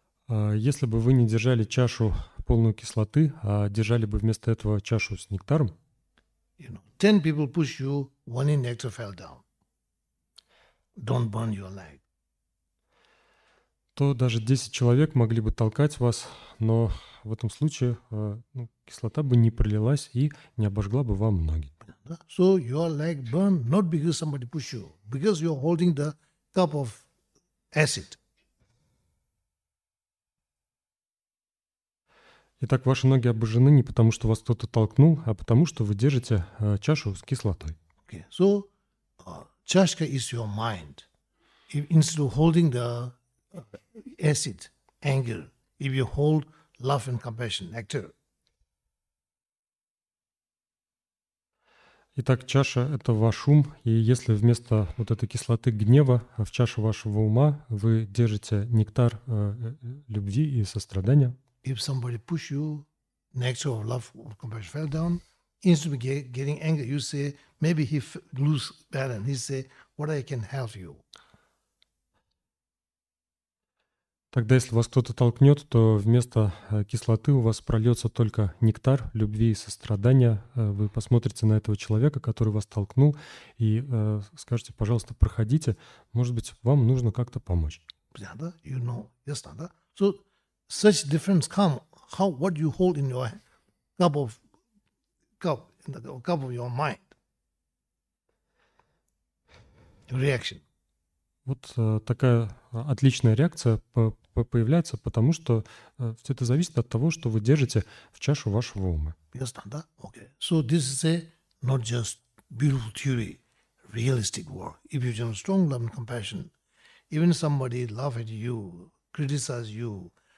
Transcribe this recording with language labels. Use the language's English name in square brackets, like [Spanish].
[Russian] Если бы вы не держали чашу полную кислоты, а держали бы вместо этого чашу с нектаром. [English] You know, 10 people push you, one in nectar fell down. Don't burn your leg. [Russian] То даже 10 человек могли бы толкать вас, но в этом случае кислота бы не пролилась и не обожгла бы вам ноги. [English] So your leg burn not because somebody pushed you, because you're holding the cup of acid. [Russian] Итак, ваши ноги обожжены не потому, что вас кто-то толкнул, а потому, что вы держите чашу с кислотой. [English] Okay. So, чашка is your mind. If, instead of holding the acid, anger, if you hold love and compassion, nectar. [Russian] Итак, чаша – это ваш ум, и если вместо вот этой кислоты гнева в чашу вашего ума вы держите нектар любви и сострадания, [English] if somebody push you, next of love or compassion fell down, instead of getting angry, you say, maybe he lose balance. He say, what I can help you? [Russian] Тогда, если вас кто-то толкнет, то вместо кислоты у вас прольется только нектар любви и сострадания. Вы посмотрите на этого человека, который вас толкнул, и скажете, пожалуйста, проходите. Может быть, вам нужно как-то помочь. [English] Yeah, you know, yes, not, so, such difference come how what you hold in your cup of your mind reaction. [Russian] Вот такая отличная реакция появляется, потому что все это зависит от того, что вы держите в чашу вашего ума. [English] Yes, not, okay. So this is a not just beautiful theory, realistic work. If you have strong love and compassion, even somebody laugh at you, criticize you.